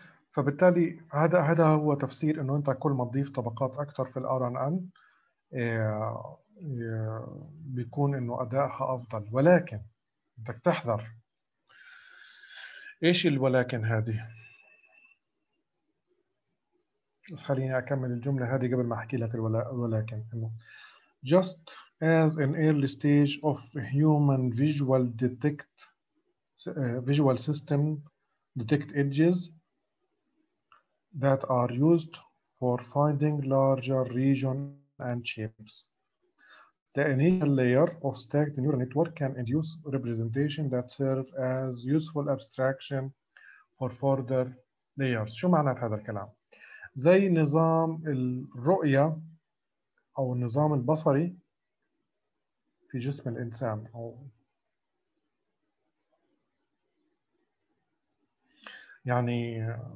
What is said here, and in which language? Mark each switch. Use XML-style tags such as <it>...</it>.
<ar>فبالتالي هذا هو تفسير انه انت كل ما تضيف طبقات اكثر في الار ان ان بيكون انه ادائها افضل. ولكن بدك تحذر، ايش الولكن هذه؟ خليني اكمل الجمله هذه قبل ما احكي لك الولكن.</ar> <en>Just as an early stage of human visual detect visual system detect edges that are used for finding larger region and shapes, the initial layer of stacked neural network can induce representation that serve as useful abstraction for further layers.</en> <ar>شو معنى في هذا الكلام؟ زي نظام الرؤية أو النظام البصري في جسم الإنسان، أو يعني</ar>